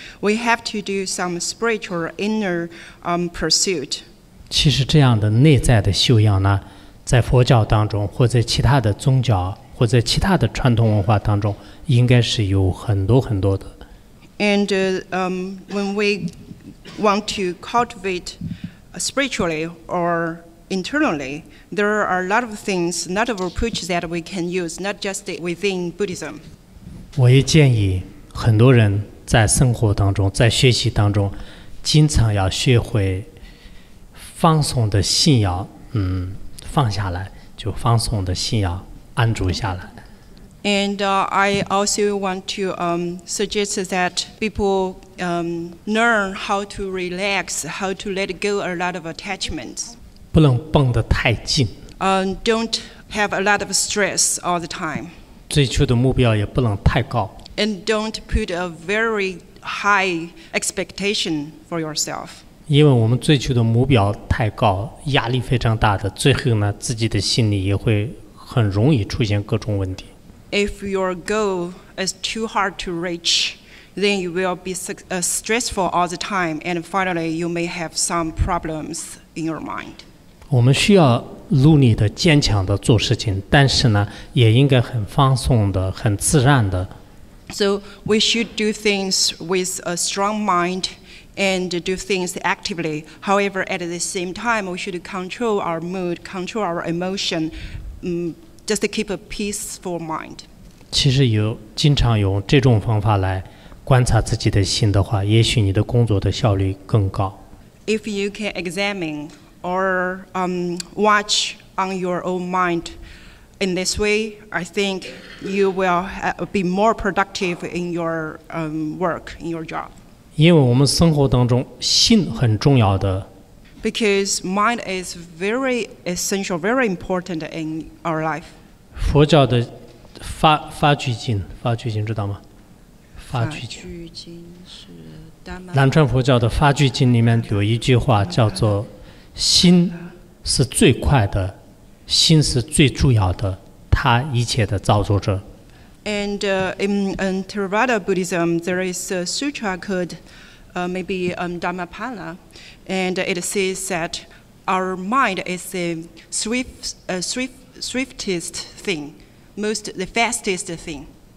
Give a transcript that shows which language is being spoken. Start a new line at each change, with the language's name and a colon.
English: We have to do some spiritual inner pursuit.
Chinese: 其实这样的内在的修养呢，在佛教当中，或者其他的宗教，或者其他的传统文化当中，应该是有很多很多的。
English: And when we want to cultivate spiritually or internally, there are a lot of things, a lot of approaches that we can use, not just within Buddhism.
Chinese: 我也建议很多人在生活当中，在学习当中，经常要学会放松的信仰，放下来，就放松的信仰，安住下来。
English: And I also want to suggest that people learn how to relax, how to let go a lot of attachments.
Chinese: 不能绷得太紧。
English: Don't have a lot of stress all the time.
Chinese: 追求的目标也不能太高。
English: And don't put a very high expectation for yourself.
Chinese: 因为我们追求的目标太高，压力非常大的，最后呢，自己的心里也会很容易出现各种问题。
English: If your goal is too hard to reach, then you will be stressful all the time, and finally you may have some problems in your mind.
Chinese: 我们需要努力的坚强的做事情，但是呢，也应该很放松的、很自然的。
English: So we should do things with a strong mind and do things actively. However, at the same time, we should control our mood, control our emotion, just to keep a peaceful mind.
Chinese: 其实有经常用这种方法来观察自己的心的话，也许你的工作的效率更高。
English: If you can examine. Or watch on your own mind. In this way, I think you will be more productive in your work, in your job.
Chinese: 因为我们生活当中心很重要的。
English: Because mind is very essential, very important in our life.
Chinese: 佛教的发句经知道吗？发句经是南传佛教的发句经里面有一句话叫做。心是最快的，心是最重要的，它一切的造作者。
English: And in Theravada Buddhism, there is a sutra called Dhammapada, and it says that our mind is the swiftest thing, the fastest thing.